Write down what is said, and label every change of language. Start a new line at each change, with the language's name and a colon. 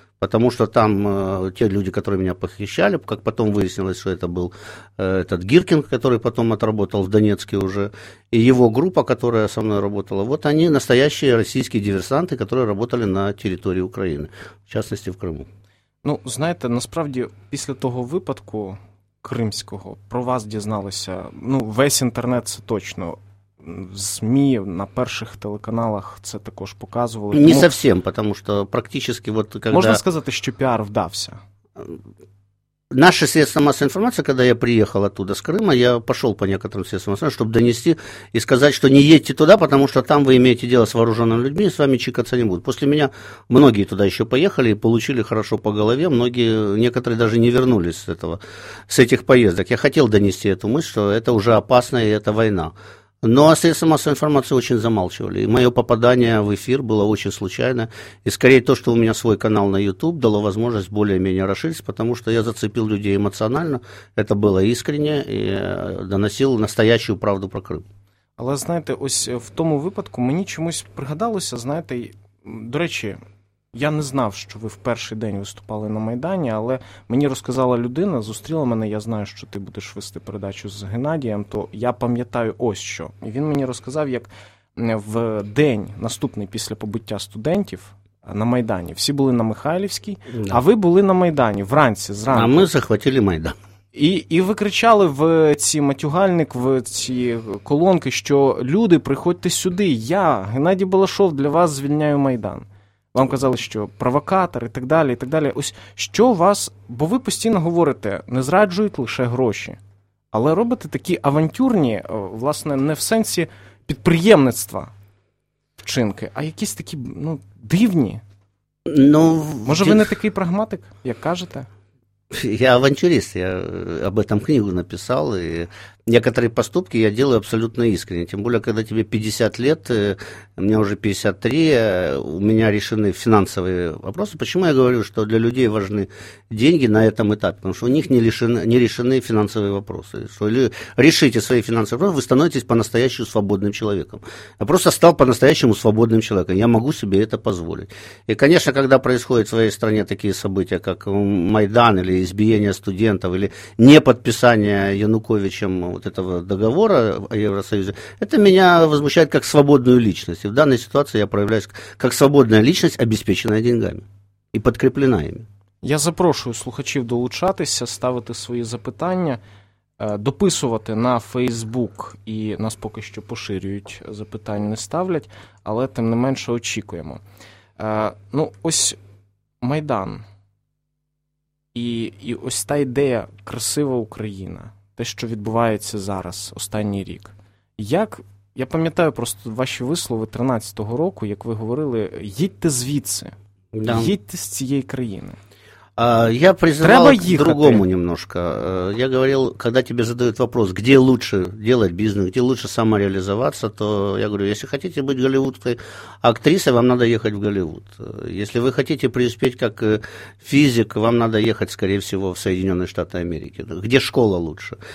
Russian: Потому что там те люди, которые меня похищали, как потом выяснилось, что это был этот Гиркин, который потом отработал в Донецке уже, и его группа, которая со мной работала, вот они настоящие российские диверсанты, которые работали на территории Украины, в частности, в Крыму.
Ukrainian: Ну, знаете, насправді, після того випадку кримського про вас дізналися, ну, весь інтернет, це точно. ЗМИ на перших телеканалах це також показували.
Russian: Не совсем, потому что практически вот когда... Можно сказать, что пиар вдався? наши средства массовой информации, когда я приехал оттуда, с Крыма, я пошел по некоторым средствам массовой информации, чтобы донести и сказать, что не едьте туда, потому что там вы имеете дело с вооруженными людьми, и с вами чикаться не будут. После меня многие туда еще поехали и получили хорошо по голове, многие, некоторые даже не вернулись с этих поездок. Я хотел донести эту мысль, что это уже опасно и это война. Но средства массовой информации очень замалчивали, и мое попадание в эфир было очень случайно, и скорее то, что у меня свой канал на YouTube дало возможность более-менее расшириться, потому что я зацепил людей эмоционально, это было искренне, и доносил настоящую правду про Крым.
Ukrainian: Але, знаете, ось в тому випадку мені чомусь пригадалося, знаете, до речі, я не знав, що ви в перший день виступали на Майдані, але мені розказала людина, зустріла мене, я знаю, що ти будеш вести передачу з Геннадієм, то я пам'ятаю ось що. І він мені розказав, як в день наступний після побиття студентів на Майдані, всі були на Михайлівській, да. А ви були на Майдані вранці, зранку. А ми захватили Майдан. І ви кричали в ці матюгальник, в ці колонки, що люди, приходьте сюди, я, Геннадій Балашов, для вас звільняю Майдан. Вам казали, що провокатор і так далі, і так далі. Ось що вас, бо ви постійно говорите, не зраджують лише гроші, але робите такі авантюрні, власне, не в сенсі підприємництва вчинки, а якісь такі, ну, дивні. Ну, може, ви не такий прагматик, як кажете?
Russian: Я авантюрист, я об этом книгу написал, и некоторые поступки я делаю абсолютно искренне, тем более, когда тебе 50 лет, мне уже 53, у меня решены финансовые вопросы. Почему я говорю, что для людей важны деньги на этом этапе? Потому что у них не решены финансовые вопросы. Если решите свои финансовые вопросы, вы становитесь по-настоящему свободным человеком. Я просто стал по-настоящему свободным человеком, я могу себе это позволить. И, конечно, когда происходят в своей стране такие события, как Майдан или избиение студентов, или неподписание Януковичем вот этого договора о Евросоюзе, это меня возмущает как свободную личность. И в данной ситуации я проявляюсь как свободная личность, обеспеченная деньгами и подкреплена ими.
Ukrainian: Я запрошую слухачів долучатися, ставити свої запитання, дописувати на Facebook, і нас поки що поширюють, запитань не ставлять, але тим не менше очікуємо. Ну, ось Майдан і ось та ідея «Красива Україна». Те, що відбувається зараз, останній рік. Як, я пам'ятаю просто ваші вислови 13-го року, як ви говорили, їдьте звідси, да. Їдьте з цієї країни.
Russian: Я призывал к другому немножко. Я говорил, когда тебе задают вопрос, где лучше делать бизнес, где лучше самореализоваться, то я говорю, если хотите быть голливудской актрисой, вам надо ехать в Голливуд. Если вы хотите преуспеть как физик, вам надо ехать, скорее всего, в Соединенные Штаты Америки. Где школа лучше?